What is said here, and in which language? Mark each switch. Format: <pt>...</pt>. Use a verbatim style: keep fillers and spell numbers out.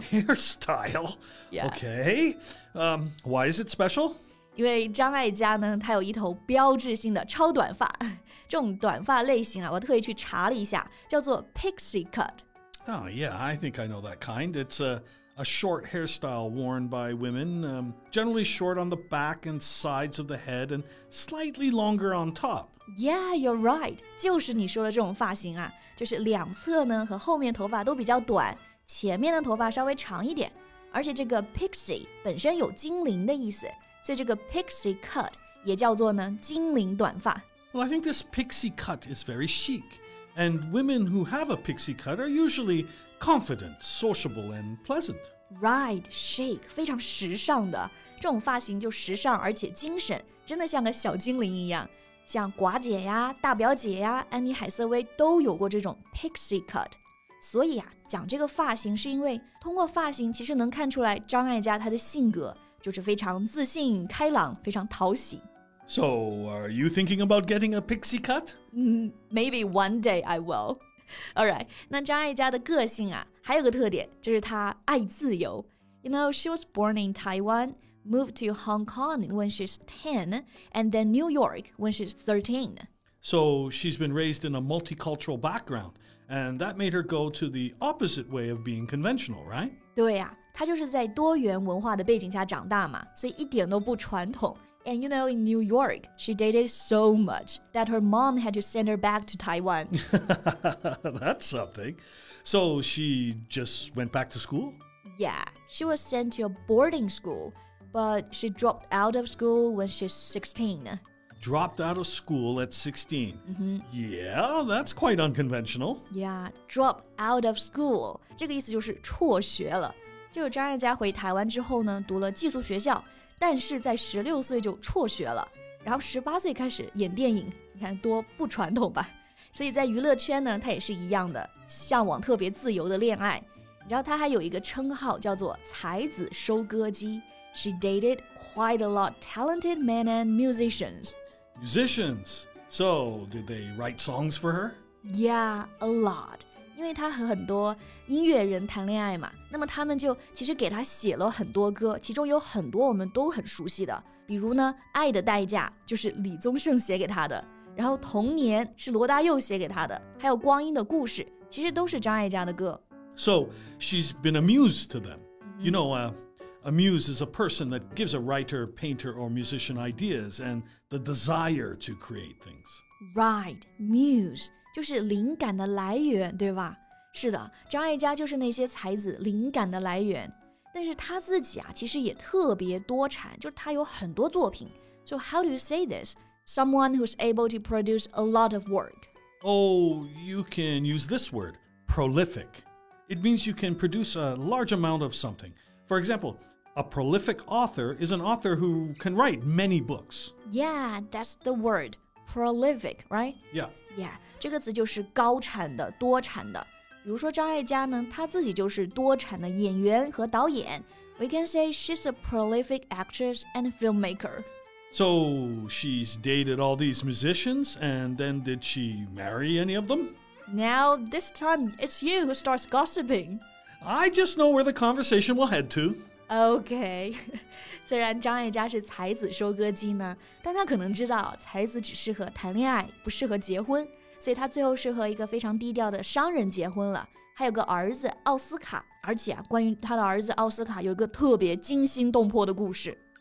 <en>Hairstyle? Yeah. Okay. Um, why is it special?</en> <zh>因为张艾嘉呢，她有一头标志性的超短发，这种短发类型啊，我特意去查了一下，叫做 pixie cut.</zh> <en>Oh yeah, I think I know that kind. It's a, a short hairstyle worn by women, um, generally short on the back and sides of the head and slightly longer on top. Yeah, you're right.</en> <zh>就是你说的这种发型啊，就是两侧呢和后面头发都比较短，前面的头发稍微长一点，而且这个 pixie 本身有精灵的意思。所以这个 pixie cut 也叫做呢精灵短发。</zh> <en>Well, I think this pixie cut is very chic, and women who have a pixie cut are usually confident, sociable, and pleasant.</en> <zh>Right, chic, 非常时尚的，这种发型就时尚而且精神，真的像个小精灵一样。像寡姐呀、大表姐呀、安妮海瑟薇都有过这种 pixie cut。所以啊，讲这个发型是因为通过发型其实能看出来张艾嘉她的性格。就是非常自信、开朗、非常讨喜。</zh> <en>So, are you thinking about getting a pixie cut? Maybe one day I will. All right.</en> <zh>那张艾嘉的个性啊，还有个特点，就是她爱自由。</zh> <en>You know, she was born in Taiwan, moved to Hong Kong when she's ten, and then New York when she's thirteen. So, she's been raised in a multicultural background, and that made her go to the opposite way of being conventional, right?</en> <zh>对啊。她就是在多元文化的背景下长大嘛，所以一点都不传统，</zh> <en>And you know, in New York, she dated so much that her mom had to send her back to Taiwan. That's something. So she just went back to school? Yeah, she was sent to a boarding school, but she dropped out of school when she's sixteen. Dropped out of school at sixteen. Mm-hmm. Yeah, that's quite unconventional.</en> <zh>Yeah,</zh> <en>drop out of school.</en> <zh>这个意思就是辍学了。就是张艾嘉回台湾之后呢，读了寄宿学校，但是在十六岁就辍学了，然后十八岁开始演电影，你看多不传统吧。所以在娱乐圈呢，她也是一样的，向往特别自由的恋爱。你知道她还有一个称号叫做才子收割机。</zh> <en>She dated quite a lot talented men and musicians. Musicians. So, did they write songs for her? Yeah, a lot.</en> <zh>因为她和很多音乐人谈恋爱嘛，那么他们就其实给她写了很多歌，其中有很多我们都很熟悉的，比如呢，《爱的代价》就是李宗盛写给她的，然后《童年》是罗大佑写给她的，还有《光阴的故事》，其实都是张艾嘉的歌。</zh> <en>So, she's been a muse to them. You know, uh,A muse is a person that gives a writer, painter, or musician ideas and the desire to create things.</en> <zh>Right, muse 就是灵感的来源，对吧？是的，张艾嘉就是那些才子灵感的来源。但是她自己啊，其实也特别多产，就是她有很多作品。</zh> <en>So how do you say this? Someone who's able to produce a lot of work. Oh, you can use this word, prolific. It means you can produce a large amount of something. For example,A prolific author is an author who can write many books. Yeah, that's the word. Prolific, right? Yeah.</en> <zh>Yeah, 这个词就是高产的、多产的。比如说张艾嘉呢，她自己就是多产的演员和导演。</zh> <en>We can say she's a prolific actress and filmmaker. So she's dated all these musicians, and then did she marry any of them? Now, this time, it's you who starts gossiping. I just know where the conversation will head to.</en> <zh>OK, 虽然张艾嘉是才子收割机呢，但她可能知道才子只适合谈恋爱，不适合结婚，所以她最后是和一个非常低调的商人结婚了，还有个儿子奥斯卡，而且啊，关于她的儿子奥斯卡有一个特别惊心动魄的故事。</zh>